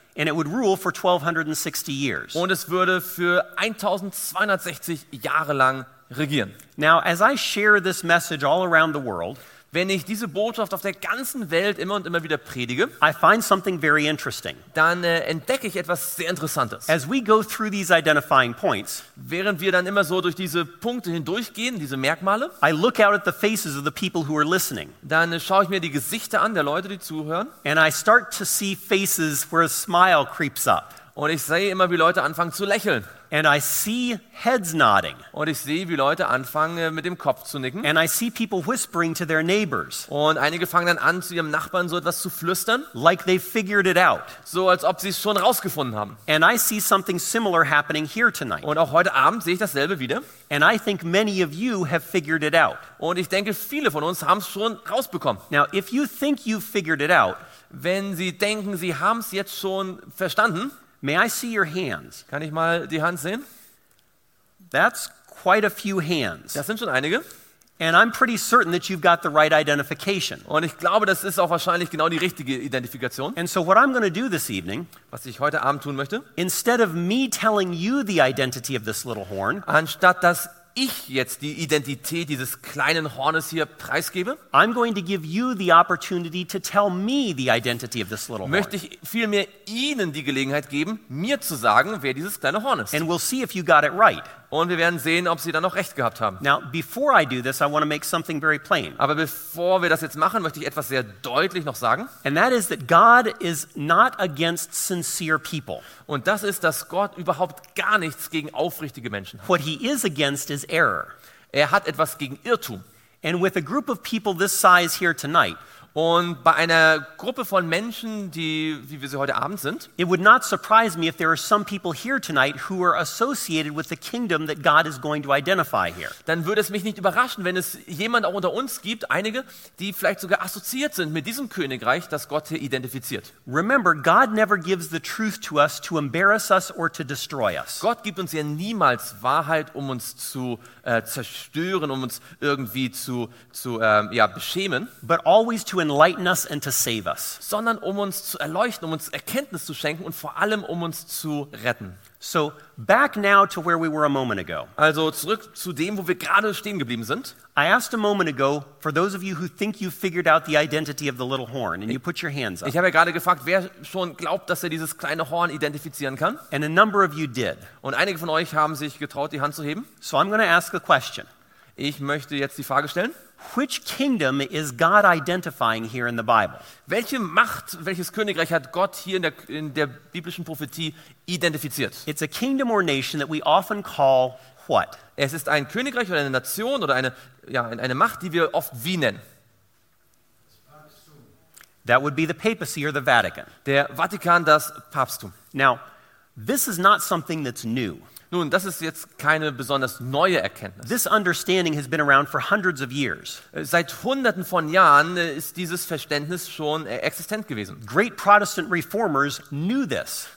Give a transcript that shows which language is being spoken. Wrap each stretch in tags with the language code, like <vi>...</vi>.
<en>And it would rule for 1260 years.</en> <de>Und es würde für 1260 Jahre lang regieren.</de> <en>Now, as I share this message all around the world,</en> <de>wenn ich diese Botschaft auf der ganzen Welt immer und immer wieder predige,</de> <en>I find something very interesting.</en> <de>Dann entdecke ich etwas sehr Interessantes.</de> <en>As we go through these identifying points,</en> <de>während wir dann immer so durch diese Punkte hindurchgehen, diese Merkmale,</de> <en>I look out at the faces of the people who are listening.</en> <de>Dann schaue ich mir die Gesichter an der Leute, die zuhören,</de> <en>and I start to see faces where a smile creeps up.</en> <de>Und ich sehe immer, wie Leute anfangen zu lächeln.</de> <en>And I see heads nodding.</en> <de>Und ich sehe, wie Leute anfangen mit dem Kopf zu nicken.</de> <en>And I see people whispering to their neighbors.</en> <de>Und einige fangen dann an, zu ihrem Nachbarn so etwas zu flüstern.</de> <en>Like they figured it out.</en> <de>So als ob sie es schon rausgefunden haben.</de> <en>And I see something similar happening here tonight.</en> <de>Und auch heute Abend sehe ich dasselbe wieder.</de> <en>And I think many of you have figured it out.</en> <de>Und ich denke, viele von uns haben es schon rausbekommen.</de> <en>Now, if you think you've figured it out,</en> <de>wenn Sie denken, Sie haben es jetzt schon verstanden,</de> <en>may I see your hands?</en> <de>Kann ich mal die Hand sehen?</de> <en>That's quite a few hands.</en> <de>Das sind schon einige.</de> <en>And I'm pretty certain that you've got the right identification.</en> <de>Und ich glaube, das ist auch wahrscheinlich genau die richtige Identifikation.</de> <en>And so what I'm going to do this evening,</en> <de>was ich heute Abend tun möchte,</de> <en>instead of me telling you the identity of this little horn,</en> <de>anstatt dass ich jetzt die Identität dieses kleinen Hornes hier preisgebe,</de> <en>I'm going to give you the opportunity to tell me the identity of this little horn.</en> <de>Möchte ich vielmehr Ihnen die Gelegenheit geben, mir zu sagen, wer dieses kleine Horn ist.</de> <en>And we'll see if you got it right.</en> <de>Und wir werden sehen, ob Sie dann noch recht gehabt haben.</de> <en>Now, before I do this, I want to make something very plain.</en> <de>Aber bevor wir das jetzt machen, möchte ich etwas sehr deutlich noch sagen.</de> <en>And that is that God is not against sincere people.</en> <de>Und das ist, dass Gott überhaupt gar nichts gegen aufrichtige Menschen hat.</de> <en>What he is against is error.</en> <de>Er hat etwas gegen Irrtum.</de> <en>And with a group of people this size here tonight,</en> <de>und bei einer Gruppe von Menschen, die, wie wir sie heute Abend sind,</de> <en>it would not surprise me if there are some people here tonight who are associated with the kingdom that God is going to identify here.</en> <de>Dann würde es mich nicht überraschen, wenn es jemand auch unter uns gibt, einige, die vielleicht sogar assoziiert sind mit diesem Königreich, das Gott hier identifiziert.</de> <en>Remember, God never gives the truth to us to embarrass us or to destroy us.</en> <de>Gott gibt uns ja niemals Wahrheit, um uns zu zerstören, um uns irgendwie zu beschämen.</de> <en>But always to enlighten us and to save us.</en> <de>Sondern um uns zu erleuchten, um uns Erkenntnis zu schenken und vor allem um uns zu retten.</de> <en>So back now to where we were a moment ago.</en> <de>Also zurück zu dem, wo wir gerade stehen geblieben sind.</de> <en>I asked a moment ago for those of you who think you figured out the identity of the little horn and you put your hands up.</en> <de>Ich habe ja gerade gefragt, wer schon glaubt, dass er dieses kleine Horn identifizieren kann.</de> <en>And a number of you did.</en> <de>Und einige von euch haben sich getraut, die Hand zu heben.</de> <en>So I'm going to ask a question.</en> <de>Ich möchte jetzt die Frage stellen.</de> <en>Which kingdom is God identifying here in the Bible?</en> <de>Welche Macht, welches Königreich hat Gott hier in der biblischen Prophetie identifiziert?</de> <en>It's a kingdom or nation that we often call what?</en> <de>Es ist ein Königreich oder eine Nation oder eine Macht, die wir oft wie nennen.</de> <en>That would be the papacy or the Vatican.</en> <de>Der Vatikan, das Papsttum.</de> <en>Now, this is not something that's new.</en> <de>Nun, das ist jetzt keine besonders neue Erkenntnis.</de> <en>This understanding has been around for hundreds of years.</en> <de>Seit Hunderten von Jahren ist dieses Verständnis schon existent gewesen.</de> <en>Great Protestant reformers knew this.</en>